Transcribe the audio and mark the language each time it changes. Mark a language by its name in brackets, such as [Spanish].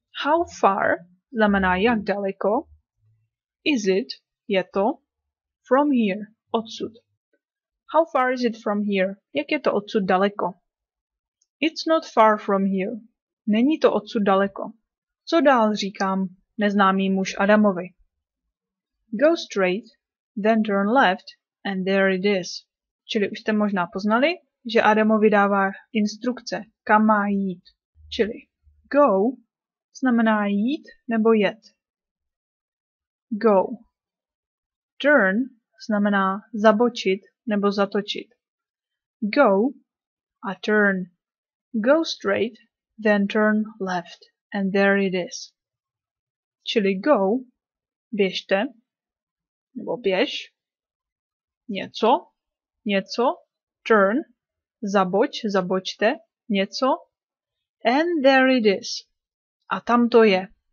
[English] How far [Czech] znamená jak daleko? [English] Is it, [Czech] je to, [English] from here, [Czech] odsud. [English] How far is it from here? [Czech] Jak je to odsud daleko? [English] It's not far from here. [Czech] Není to odsud daleko. Co dál říkám neznámý muž Adamovi? [English] Go straight, then turn left, and there it is. [Czech] Čili už jste možná poznali, že Adamovi dává instrukce, kam má jít. Čili go znamená jít nebo jet. Go. Turn znamená zabočit nebo zatočit. Go a turn. [English] Go straight, then turn left, and there it is. [Czech] Čili go, běžte, nebo běž, něco, něco, turn, zaboč, zabočte, něco, [English] and there it is. [Czech] A tam to je.